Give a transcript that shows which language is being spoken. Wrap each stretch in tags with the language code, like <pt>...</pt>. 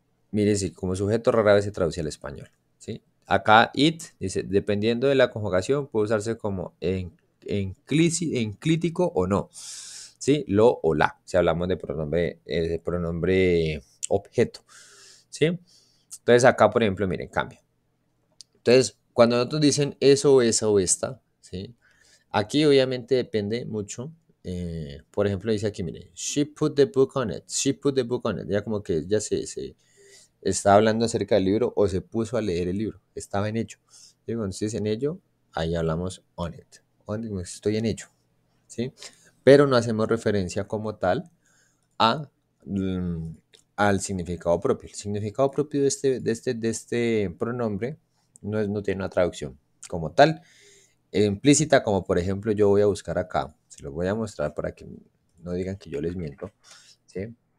<es>Mire, si como sujeto rara vez se traduce al español, ¿sí? Acá it dice, dependiendo de la conjugación, puede usarse como enclítico o no, ¿sí? Lo o la, si hablamos de pronombre objeto, ¿sí? Entonces acá, por ejemplo, miren, cambia. Entonces, cuando nosotros dicen eso, esa o esta, ¿sí? Aquí obviamente depende mucho Por ejemplo, dice aquí, mire,</es> <en>she put the book on it, she put the book on it.</en> <es>Ya como que ya se está hablando acerca del libro o se puso a leer el libro, estaba en ello. Y cuando estés en ello, ahí hablamos</es> <en>on it, on it,</en> <es>estoy en ello, ¿sí? Pero no hacemos referencia como tal a, al significado propio. El significado propio de este pronombre no tiene una traducción como tal, implícita, como por ejemplo yo voy a buscar acá, se los voy a mostrar para que no digan que yo les miento, ¿sí?</es>